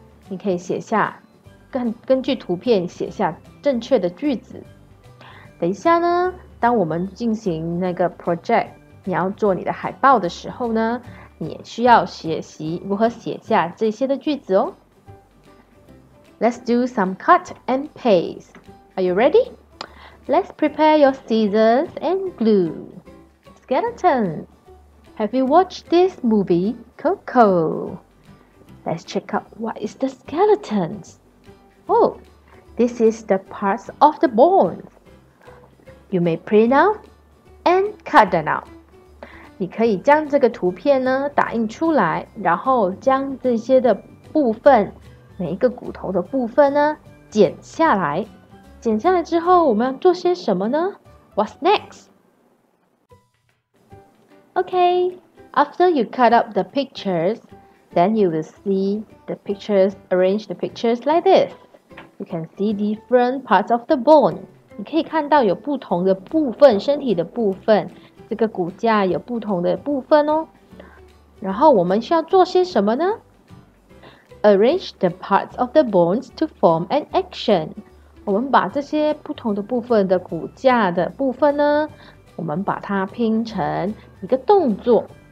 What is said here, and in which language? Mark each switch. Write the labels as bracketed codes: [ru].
[zh] 你可以写下根据图片写下正确的句子。等一下呢当我们进行那个 project, 你要做你的海报的时候呢，你也需要学习如何写下这些的句子哦。 [en] Let's do some cut and paste. Are you ready? Let's prepare your scissors and glue. skeleton. Have you watched this movie, Coco? Let's check out what is the skeleton. Oh, this is the parts of the bones. You may print out and cut them out. [zh] 你可以将这个图片呢打印出来，然后将这些的部分，每一个骨头的部分呢剪下来。剪下来之后，我们要做些什么呢？ [en] What's next? Okay, after you cut up the pictures, then you will see the pictures, arrange the pictures like this. You can see different parts of the bone. [zh] 你可以看到有不同的部分，身体的部分，这个骨架有不同的部分哦。然后我们需要做些什么呢？ [en] Arrange the parts of the bones to form an action. [zh] 我们把这些不同的部分的骨架的部分呢，我们把它拼成一个动作。